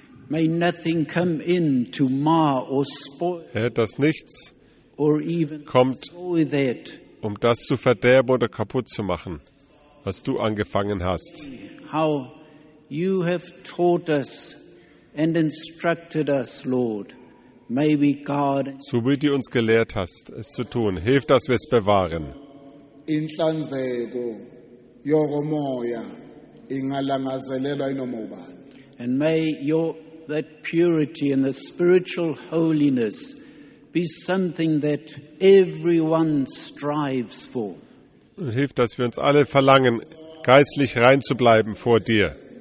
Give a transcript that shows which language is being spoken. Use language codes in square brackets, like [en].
[en] May nothing come in to mar or spoil. [de] Herr, dass nichts [en] or even [de] kommt, um das zu verderben oder kaputt zu machen, was du angefangen hast. [en] How you have taught us and instructed us, Lord. May we guard. [de] So wie du uns gelehrt hast, es zu tun, hilf, dass wir es bewahren. [zu] Inhlanzeko yokomoya ingalangazelelwa inoma ubani. [en] And may that purity and the spiritual holiness be something that everyone strives for. [de] Und hilf, dass wir uns alle verlangen, geistlich rein zu bleiben vor dir.